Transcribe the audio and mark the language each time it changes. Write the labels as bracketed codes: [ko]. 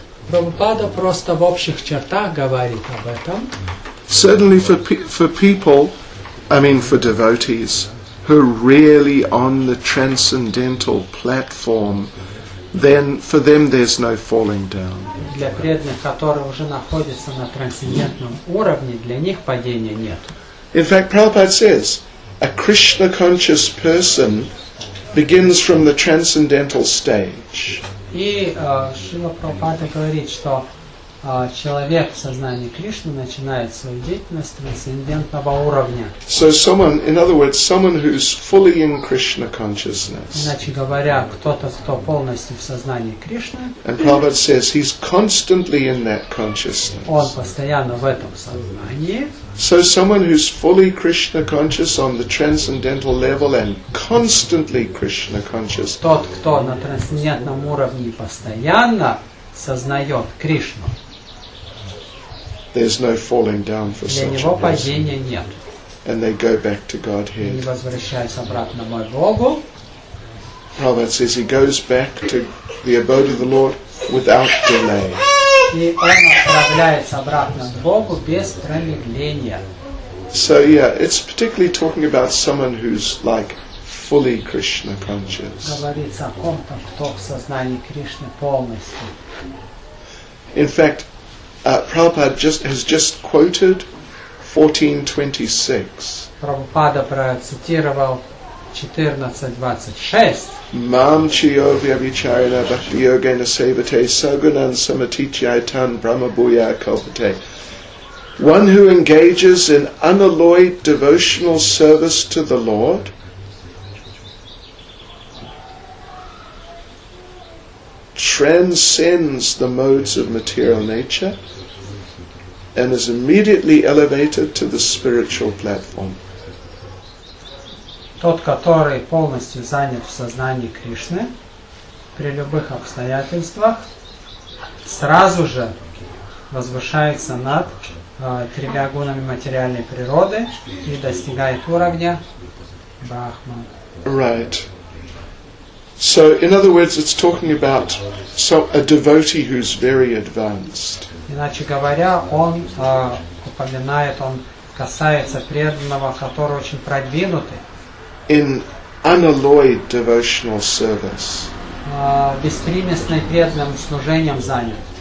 [ru] Прабхупада просто в общих чертах говорит об этом. [en] Certainly for devotees who are really on the transcendental platform, then for them there's no falling down. [ru] Для преданных, которые уже находятся на трансцендентном уровне, для них падения нет. [en] In fact, Prabhupada says, a Krishna conscious person begins from the transcendental stage. [ru] И Шрила Прабхупада говорит, что человек в сознании Кришны начинает свою деятельность трансцендентного уровня. [en] So someone, in other words, someone who's fully in Krishna consciousness. [ru] Иначе говоря, кто-то, кто полностью в сознании Кришны. [en] And Prabhupada says he's constantly in that consciousness. [ru] Он постоянно в этом сознании. [en] So someone who's fully Krishna conscious on the transcendental level and constantly Krishna conscious. [ru] Тот, кто на трансцендентном уровне постоянно сознает Кришну. [en] There's no falling down for [ru] для него падения нет. [en] And they go back to Godhead. [ru] Они возвращаются обратно к Богу. [en] Prabhupada says he goes back to the abode of the Lord without delay. [ru] И он отправляется обратно к Богу без промедления. [en] So yeah, it's particularly talking about someone who's like fully Krishna conscious. [ru] Говорится о ком-то, кто в сознании Кришны полностью. [en] In fact, Prabhupada has just quoted 14:26. [ru] Prabhupada процитировал 14:26. [sa] Mam chiyovya vicharina bhakti yogena sevate sagunan samatichyaitan brahma bhuya kalpate. [en] One who engages in unalloyed devotional service to the Lord. Transcends the modes of material nature and is immediately elevated to the spiritual platform. [ru] Тот, который полностью занят в сознании Кришны, при любых обстоятельствах, сразу же возвышается над тремя гунами материальной природы и достигает уровня Брахман. [en] Right. So, in other words, it's talking about a devotee who's very advanced. [ru] Иначе говоря, он упоминает, он касается преданного, который очень продвинутый. [en] In unalloyed devotional service. [ru] Беспримесным преданным служением занят.